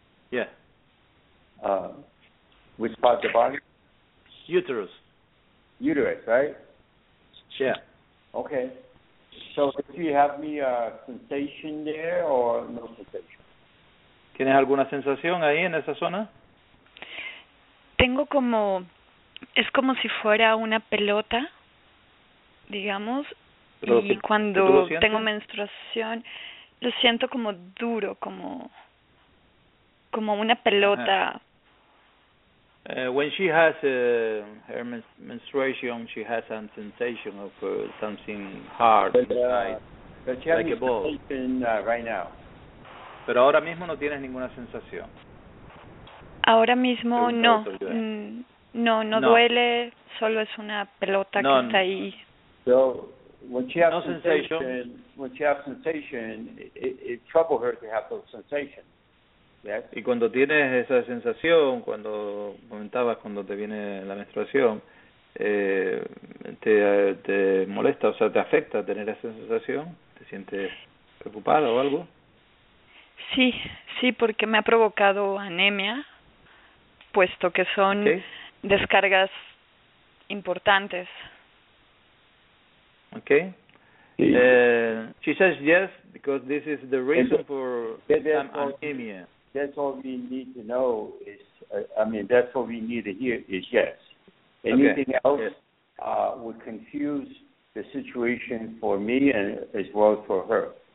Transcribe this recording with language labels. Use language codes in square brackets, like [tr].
[en] Yeah. Which part of the body? Uterus. Uterus, right? Yeah. Okay. So, do you have any sensation there or no sensation? [es] ¿Tienes alguna sensación ahí en esa zona? Tengo como, es como si fuera una pelota, digamos. Pero y cuando tengo menstruación, lo siento como duro, como una pelota. [en] When she has her menstruation, she has some sensation of something hard inside, like a ball. Right now. [es] Pero ahora mismo no tienes ninguna sensación. Ahora mismo no duele, solo es una pelota que está ahí. [en] So, when she has sensation, it troubles her to have those sensations. Yes. [es] Y cuando tienes esa sensación, cuando comentabas cuando te viene la menstruación, te molesta, o sea, te afecta tener esa sensación, te sientes preocupada o algo. Sí, porque me ha provocado anemia, puesto que son descargas importantes. [en] Okay. She says yes because this is the reason for some anemia. That's all we need to know is, that's what we need to hear is yes. Anything else would confuse the situation for me and as well for her.